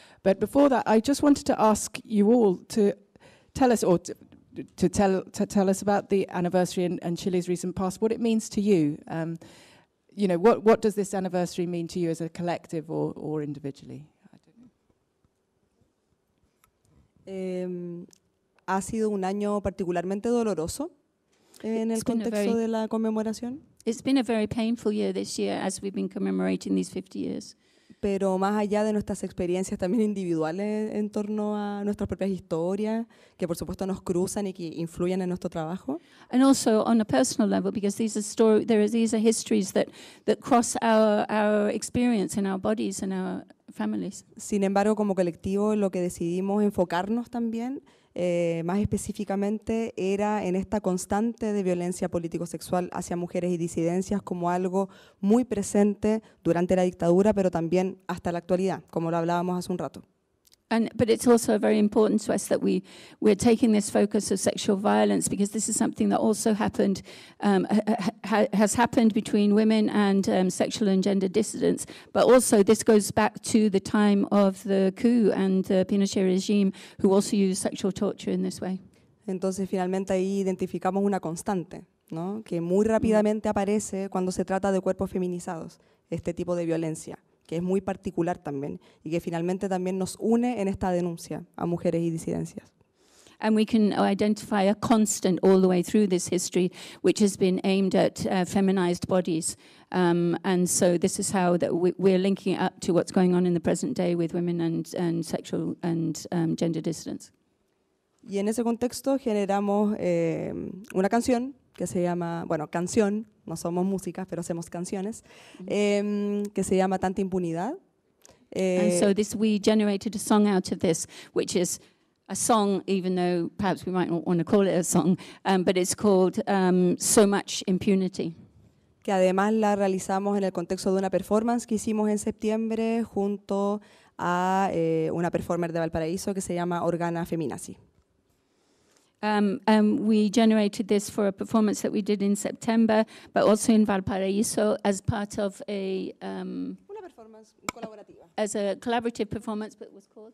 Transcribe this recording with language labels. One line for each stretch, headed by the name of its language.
English: But before that, I just wanted to ask you all to tell us, to tell us about the anniversary and Chile's recent past, what it means to you. You know, what does this anniversary mean to you as a collective or individually? I don't know.
Spanish: Ha sido un año particularmente doloroso en el contexto de la conmemoración.
English: It's been a very painful year this year as we've been commemorating these 50 years.
Spanish: Pero más allá de nuestras experiencias también individuales en torno a nuestras propias historias, que por supuesto nos cruzan y que influyen en nuestro trabajo.
English: And also on a personal level, because these are histories that cross our experience in our bodies and our families.
Spanish: Sin embargo, como colectivo, lo que decidimos enfocarnos también, más específicamente, era en esta constante de violencia político-sexual hacia mujeres y disidencias como algo muy presente durante la dictadura, pero también hasta la actualidad, como lo hablábamos hace un rato.
English: But it's also very important to us that we're taking this focus of sexual violence, because this is something that also happened, has happened between women and sexual and gender dissidents. But also this goes back to the time of the coup and the Pinochet regime, who also used sexual torture in this way.
Spanish: Entonces finalmente ahí identificamos una constante, ¿no? Que muy rápidamente aparece cuando se trata de cuerpos feminizados, este tipo de violencia. Que es muy particular también y que finalmente también nos une en esta denuncia a mujeres y disidencias.
English: And we can identify a constant all the way through this history, which has been aimed at feminized bodies. And so this is how that we're linking up to what's going on in the present day with women and sexual and gender dissidents.
Spanish: Y en ese contexto generamos una canción que se llama, bueno, canción, no somos músicas, pero hacemos canciones, que se llama Tanta Impunidad.
English: And so this, we generated a song out of this, which is a song, even though perhaps we might not want to call it a song, but it's called So Much Impunity.
Spanish: Que además la realizamos en el contexto de una performance que hicimos en septiembre junto a una performer de Valparaíso que se llama Organa Feminazi.
English: We generated this for a performance that we did in September, but also in Valparaíso as part of a
Spanish: una performance colaborativa.
English: As a collaborative performance, but it was called